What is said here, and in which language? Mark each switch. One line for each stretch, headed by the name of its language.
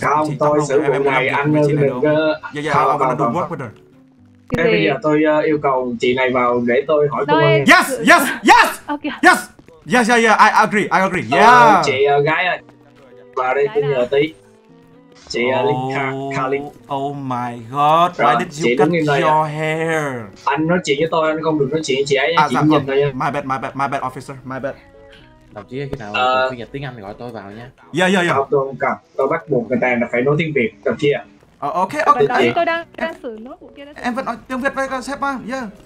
Vietnamese: Không, chị, tôi xử vụ này anh chị này đúng. Dạ,
English: I'm gonna do work with her.
Vietnamese: Thế bây giờ tôi yêu cầu chị này vào để tôi hỏi công an.
English: Yes. Okay. Yes. I agree. Yeah.
Vietnamese: Chị gái ơi, vào đây tôi nhờ tí. Chị Linh
English: Oh my god,
Vietnamese: rồi,
English: why did you cut your hair?
Vietnamese: Anh nói chuyện với tôi, anh không được nói chuyện với chị ấy, chị nhìn thôi nha.
English: My bad officer, my bad.
Vietnamese: Đồng chí khi nào phiên dịch tiếng Anh thì gọi tôi vào nha.
English: Yeah.
Vietnamese: Không, tôi không cần, tôi bắt buộc người ta là phải nói tiếng Việt, đồng chí ạ.
English: Ok.
Vietnamese: Tôi đang sử nốt của kia đó. Em vẫn nói tiếng Việt với con sếp mà, yeah.